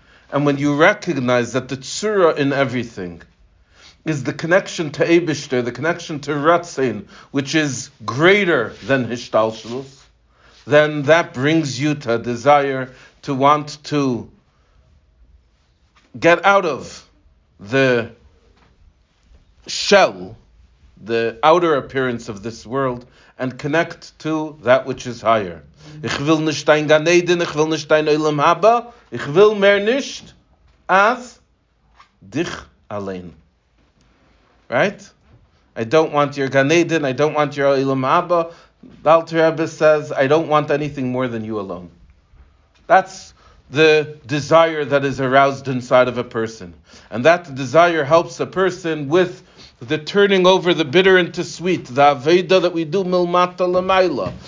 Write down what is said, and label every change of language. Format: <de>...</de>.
<en>And when you recognize that the Tzurah in everything is the connection to Eibishter, the connection to Ratzin, which is greater than Hishtalshlus, then that brings you to a desire to want to get out of the shell, the outer appearance of this world, and connect to that which is higher.</en> <de>Ich will nicht ein Gan Eden, ich will nicht ein Olam Haba, ich will mehr nicht als dich allein.</de> <en>Right? I don't want your Gan Eden, I don't want your Olam Haba. The Alter Rebbe says, I don't want anything more than you alone. That's the desire that is aroused inside of a person. And that desire helps a person with the turning over the bitter into sweet, the Aveda that we do milmata lamaila.</en>